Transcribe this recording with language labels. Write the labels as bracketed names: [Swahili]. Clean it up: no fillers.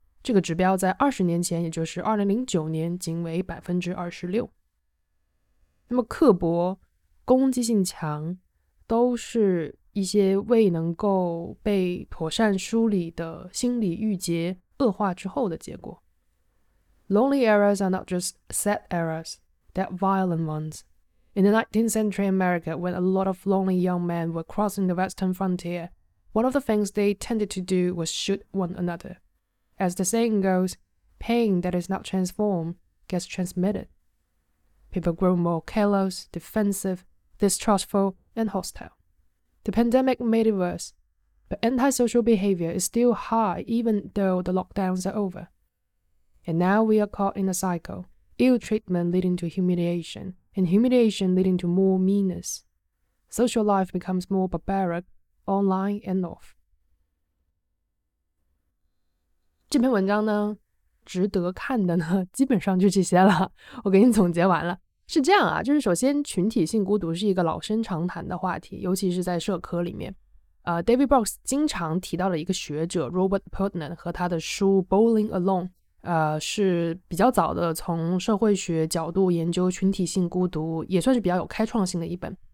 [Chinese] 这个指标在20年前，也就是2009年仅为 26%。那么刻薄、攻击性强，都是一些未能够被妥善梳理的心理郁结恶化之后的结果。 [English] Lonely eras are not just sad eras, they're violent ones. In the 19th century America, when a lot of lonely young men were crossing the western frontier, one of the things they tended to do was shoot one another. As the saying goes, pain that is not transformed gets transmitted. People grow more callous, defensive, distrustful, and hostile. The pandemic made it worse, but antisocial behavior is still high even though the lockdowns are over. And now we are caught in a cycle, ill treatment leading to humiliation, and humiliation leading to more meanness. Social life becomes more barbaric, online and off. [Chinese] 这篇文章呢，值得看的呢，基本上就这些了，我给你总结完了。是这样啊，就是首先群体性孤独是一个老生常谈的话题，尤其是在社科里面。 David Brooks 经常提到的一个学者 Robert Putnam 和他的书 Bowling Alone， 是比较早的从社会学角度研究群体性孤独，也算是比较有开创性的一本。